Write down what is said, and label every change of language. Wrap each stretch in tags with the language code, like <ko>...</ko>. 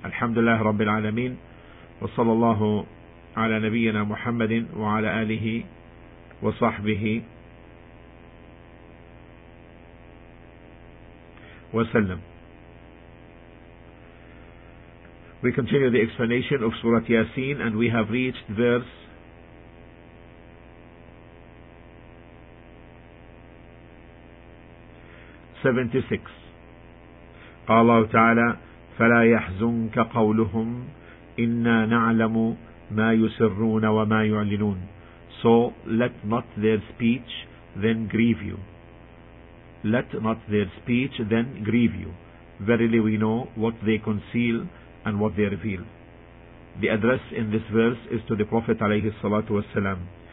<ar>الحمد لله رب العالمين، وصلى الله على نبينا محمد وعلى آله وصحبه وسلم.</ar> <en>We continue the explanation of Surah Yasin, and we have reached verse 76.</en> <ar>قال الله تعالى فلا يحزنك قولهم إنا نعلم ما يسرون وما يعلنون.</ar> <en>So let not their speech then grieve you. Let not their speech then grieve you. Verily we know what they conceal and what they reveal. The address in this verse is to the Prophet alayhi salatu wasalam.</en>